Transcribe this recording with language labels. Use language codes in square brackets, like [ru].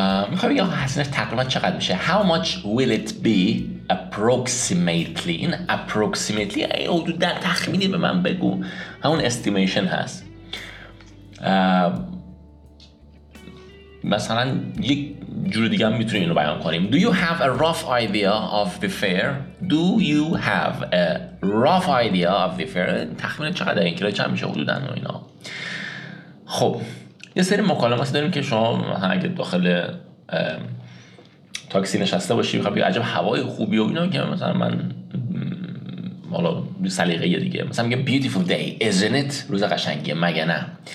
[fa] میخوام بگم هزینه تقریبا چقدر میشه. [en] How much will it be approximately? [fa] این approximately این حدود در تخمینی به من بگو همون estimation هست. مثلا یک جور دیگه هم میتونیم اینو بیان کنیم. [en] Do you have a rough idea of the fare? Do you have a rough idea of the fare? [fa] تخمینه چقدر این کلاه چند میشه حدودا و اینا. خب یه سری مکالماتی داریم که شما اگه داخل تاکسی نشسته باشی میخواه بگه عجب هوای خوبی و اینا که مثلا من حالا سلیقه یه دیگه مثلا میگه [en] beautiful day isn't it, [fa] روز قشنگیه مگه نه.